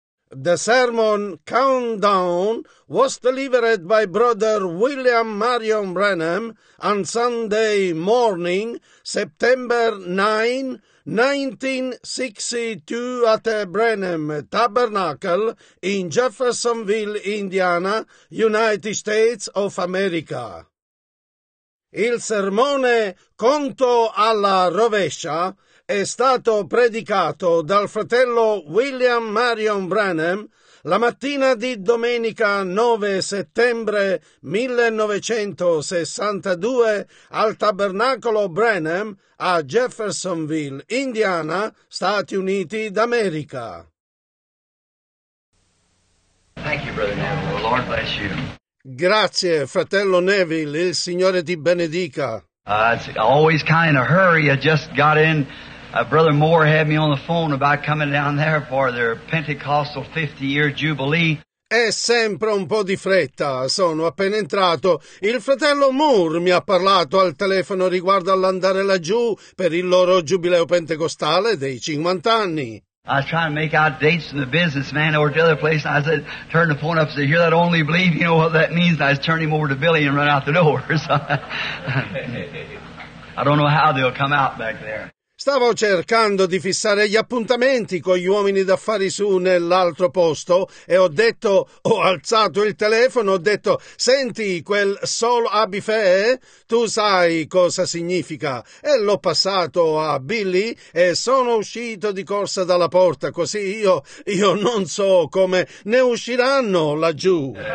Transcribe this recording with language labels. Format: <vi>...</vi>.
<en>The sermon Countdown was delivered by Brother William Marion Branham on Sunday morning, September 9, 1962, at the Branham Tabernacle in Jeffersonville, Indiana, United States of America.</en> <it>Il sermone Conto alla rovescia è stato predicato dal fratello William Marion Branham la mattina di domenica 9 settembre 1962 al Tabernacolo Branham a Jeffersonville, Indiana, Stati Uniti d'America.</it> <en>Thank you, Brother Neville. The Lord bless you.</en> <it>Grazie, fratello Neville. Il Signore ti benedica.</it> <en>It's always kind of hurry. I just got in. Brother Moore had me on the phone about coming down there for their Pentecostal 50-year jubilee.</en> <it>È sempre un po' di fretta. Sono appena entrato. Il fratello Moore mi ha parlato al telefono riguardo all'andare laggiù per il loro giubileo pentecostale dei 50 anni.</it> <en>I was trying to make out dates from the businessman over to the other place, and I said, turned the phone up and said, hear that, only believe, you know what that means? And I just turned him over to Billy and run out the door. I don't know how they'll come out back there.</en> <it>Stavo cercando di fissare gli appuntamenti con gli uomini d'affari su nell'altro posto e ho alzato il telefono, ho detto, senti, quel Sol Abife, tu sai cosa significa. E l'ho passato a Billy e sono uscito di corsa dalla porta, così io non so come ne usciranno laggiù.</it>